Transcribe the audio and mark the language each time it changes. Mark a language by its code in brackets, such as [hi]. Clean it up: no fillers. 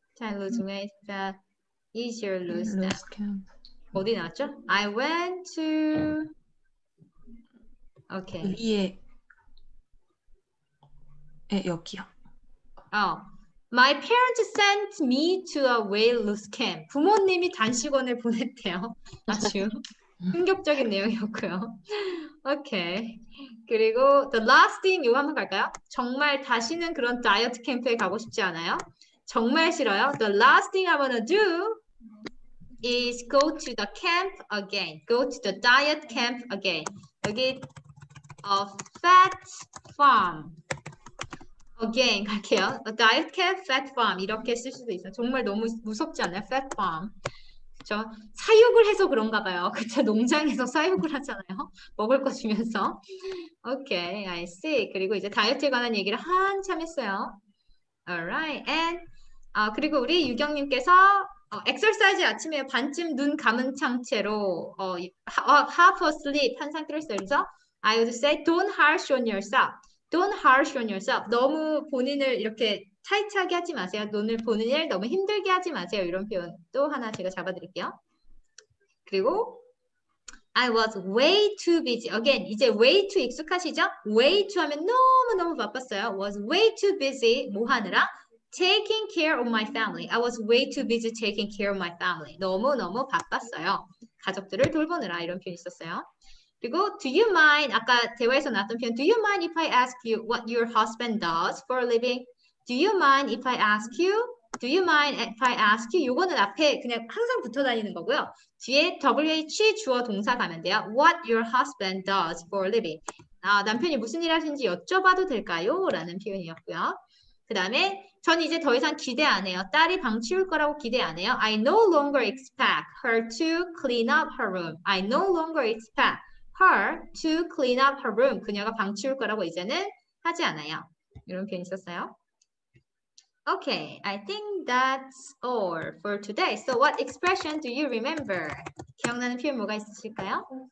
[en] Can lose weight, but easier lose that. Lose camp. 어디 나왔죠? I went to. Okay. [ko] 위에 여기요. [en] My parents sent me to a weight loss camp. [ko] 부모님이 단식원을 보냈대요. 아주 충격적인 내용이었고요. [en] Okay. [ko] 그리고 [en] the last thing [ko] 이거 한번 갈까요? 정말 다시는 그런 다이어트 캠프에 가고 싶지 않아요? 정말 싫어요? [en] The last thing I wanna do is go to the camp again. Go to the diet camp again. [ko] 여기 [en] a fat farm. Again [ko] 갈게요. A diet camp, fat farm 이렇게 쓸 수도 있어요. 정말 너무 무섭지 않아요? [en] Fat farm. [ko] 저 사육을 해서 그런가 봐요. 그쵸? 농장에서 사육을 하잖아요. 먹을 거 주면서. 오케이, [en] I see. [ko] 그리고 이제 다이어트에 관한 얘기를 한참 했어요. [en] Alright, and [ko] 그리고 우리 유경님께서 엑설사이즈 아침에 반쯤 눈 감은 상태로 [en] half asleep [ko] 한 상태로 했어요. [en] 그래서 I would say don't harsh on yourself. Don't harsh on yourself. [ko] 너무 본인을 이렇게 타이트하게 하지 마세요. 눈을 보는 일 너무 힘들게 하지 마세요. 이런 표현 또 하나 제가 잡아드릴게요. 그리고 [en] I was way too busy. [ko] Again, 이제 [en] way too [ko] 익숙하시죠? [en] way too [ko] 하면 너무너무 바빴어요. [en] Was way too busy [ko] 뭐 하느라? [en] Taking care of my family. I was way too busy taking care of my family. [ko] 너무너무 바빴어요. 가족들을 돌보느라 이런 표현 있었어요. 그리고 [en] do you mind? [ko] 아까 대화에서 나왔던 표현 [en] do you mind if I ask you what your husband does for a living? Do you mind if I ask you? Do you mind if I ask you? [ko] 요거는 앞에 그냥 항상 붙어 다니는 거고요. 뒤에 WH 주어 동사 가면 돼요. [en] What your husband does for a living. [ko] 남편이 무슨 일 하신지 여쭤봐도 될까요? 라는 표현이었고요. 그 다음에 전 이제 더 이상 기대 안 해요. 딸이 방 치울 거라고 기대 안 해요. [en] I no longer expect her to clean up her room. I no longer expect her to clean up her room. [ko] 그녀가 방 치울 거라고 이제는 하지 않아요. 이런 표현이 있었어요. [en] Okay, I think that's all for today. So, what expression do you remember? [ko] 기억나는 표현 뭐가 있으실까요?